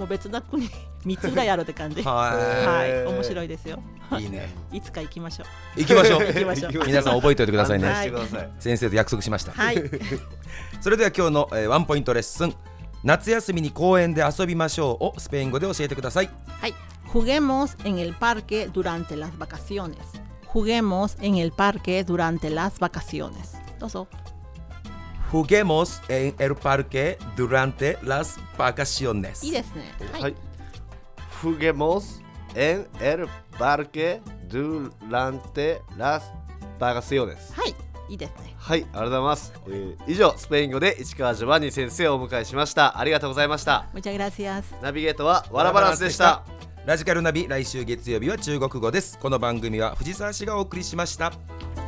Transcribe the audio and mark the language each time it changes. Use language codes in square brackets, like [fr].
[ja] もう別な国三つぐらいあるって感じ。はい、はい、面白いですよ。いいね。いつか行きましょう。行きましょう。行きましょう。皆さん覚えておいてくださいね。はい、先生と約束しました。はい、それでは今日の、ワンポイントレッスン、夏休みに公園で遊びましょうをスペイン語で教えてください。はい。 [es] Juguemos en el parque durante las vacaciones. Juguemos en el parque durante las vacaciones. [ja] どうぞ。 [es] Juguemos en el parque durante las vacaciones. [ja] いいですね。はい。 [es] Juguemos en el parque durante las vacaciones. [ja] はい。いいですね。はい。ありがとうございます。以上、スペイン語で市川ジョバンニ先生をお迎えしました。ありがとうございました。 [es] Muchas gracias。 [ja] ナビゲートはワラバランスでした。ラジカルナビ、来週月曜日は中国語です。この番組は藤沢氏がお送りしました。